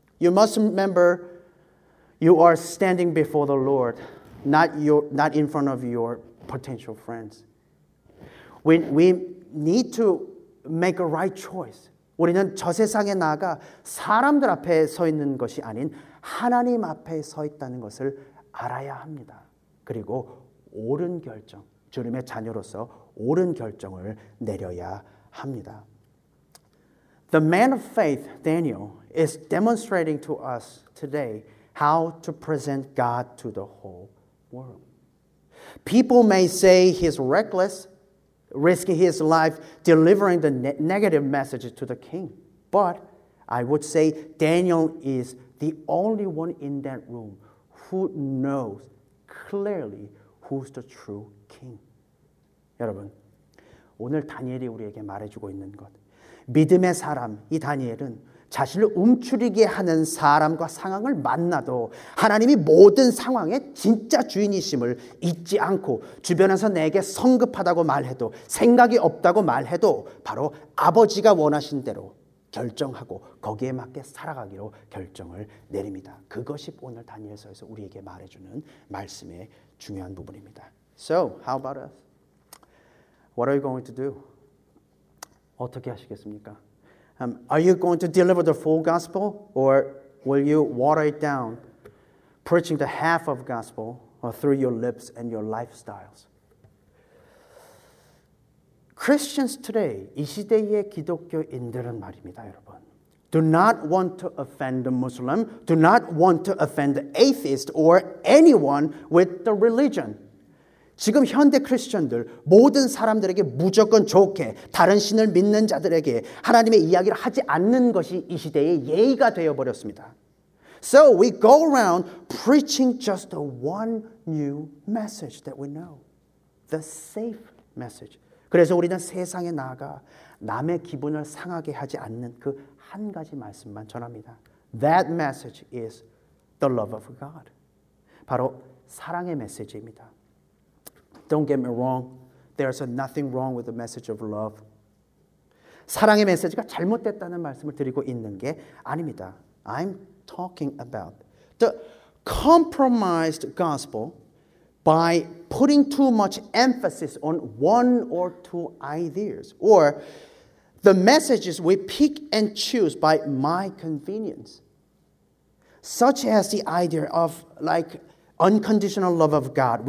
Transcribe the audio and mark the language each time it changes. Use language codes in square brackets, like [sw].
[en] You must remember you are standing before the Lord, not in front of your potential friends. We need to make a right choice. [ko] 우리는 저 세상에 나아가 사람들 앞에 서 있는 것이 아닌 하나님 앞에 서 있다는 것을 알아야 합니다. 그리고 옳은 결정, 주님의 자녀로서 옳은 결정을 내려야 합니다. [en] The man of faith, Daniel, is demonstrating to us today how to present God to the whole world. People may say he's reckless, risking his life, delivering the negative message to the king. But I would say Daniel is the only one in that room who knows clearly who's the true king. [ko] 여러분, 오늘 다니엘이 우리에게 말해주고 있는 것. 믿음의 사람, 이 다니엘은 자신을 움츠리게 하는 사람과 상황을 만나도 하나님이 모든 상황의 진짜 주인이심을 잊지 않고 주변에서 내게 성급하다고 말해도 생각이 없다고 말해도 바로 아버지가 원하신 대로 결정하고 거기에 맞게 살아가기로 결정을 내립니다. 그것이 오늘 다니엘서에서 우리에게 말해주는 말씀의 중요한 부분입니다. [en] So, how about us? What are you going to do? [ko] 어떻게 하시겠습니까? [en] Are you going to deliver the full gospel or will you water it down, preaching the half of gospel or through your lips and your lifestyles? Christians today, [ko] 이 시대의 기독교인들은 말입니다, 여러분. [en] Do not want to offend the Muslim, do not want to offend the atheist or anyone with the religion. [ko] 지금 현대 크리스천들 모든 사람들에게 무조건 좋게 다른 신을 믿는 자들에게 하나님의 이야기를 하지 않는 것이 이 시대의 예의가 되어버렸습니다. [en] So we go around preaching just the one new message that we know. The safe message. [ko] 그래서 우리는 세상에 나가 남의 기분을 상하게 하지 않는 그 한 가지 말씀만 전합니다. [en] That message is the love of God. [ko] 바로 사랑의 메시지입니다. [en] Don't get me wrong. There's nothing wrong with the message of love. [ko] 사랑의 메시지가 잘못됐다는 말씀을 드리고 있는 게 아닙니다. [en] I'm talking about the compromised gospel by putting too much emphasis on one or two ideas or the messages we pick and choose by my convenience, such as the idea of like unconditional love of God.